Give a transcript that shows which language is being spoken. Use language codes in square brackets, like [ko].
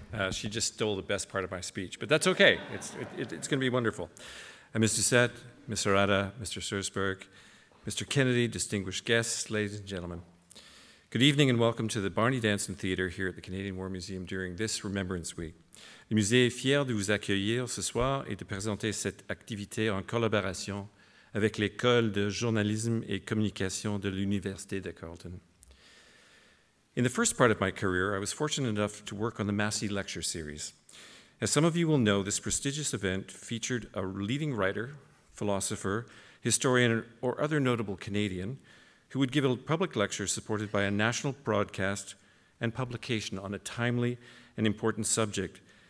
[en] She just stole the best part of my speech, but that's okay. It's going to be wonderful. And Ms. Doucet, Ms. Harada, Mr. Stursberg, Mr. Kennedy, distinguished guests, ladies and gentlemen. Good evening and welcome to the Barney Danson Theatre here at the Canadian War Museum during this Remembrance Week. [fr] Le musée est fier de vous accueillir ce soir et de présenter cette activité en collaboration avec l'École de journalisme et communication de l'Université de Carleton. [en] In the first part of my career, I was fortunate enough to work on the Massey Lecture Series. As some of you will know, this prestigious event featured a leading writer, philosopher, historian, or other notable Canadian who would give a public lecture supported by a national broadcast and publication on a timely and important subject.